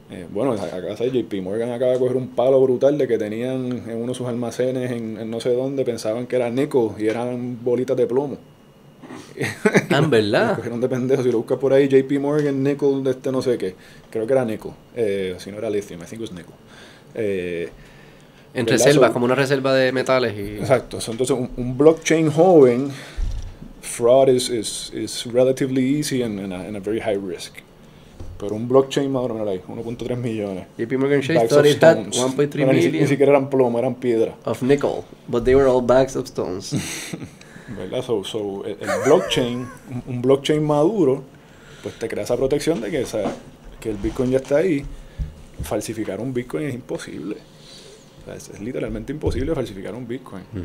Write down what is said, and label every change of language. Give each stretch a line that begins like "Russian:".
Spanish: Bueno, acá sabe, JP Morgan acaba de coger un palo brutal de que tenían en uno de sus almacenes en no sé dónde, pensaban que era nickel y eran bolitas de plomo. Ah, ¿en verdad? Lo cogieron de pendejo. Si lo buscas por ahí, JP Morgan, nickel, de este no sé qué. Creo que era nickel. Si no era lithium,
English: I think it was nickel.
Spanish: En reservas, como una reserva de metales. Y exacto. Entonces, un blockchain joven,
English: fraud is relatively easy and a very high risk.
Spanish: Pero un blockchain, madre mía, 1.3 millones.
English: JP Morgan Chase, bags of stones. 1.3 million.
Spanish: Ni siquiera eran plomo, eran piedra.
English: Of nickel, but they were all bags of stones.
Spanish: ¿Verdad? So el blockchain, un blockchain maduro, pues te crea esa protección de que, o sea, que el Bitcoin ya está ahí. Falsificar un Bitcoin es imposible. O sea, es literalmente imposible falsificar un Bitcoin.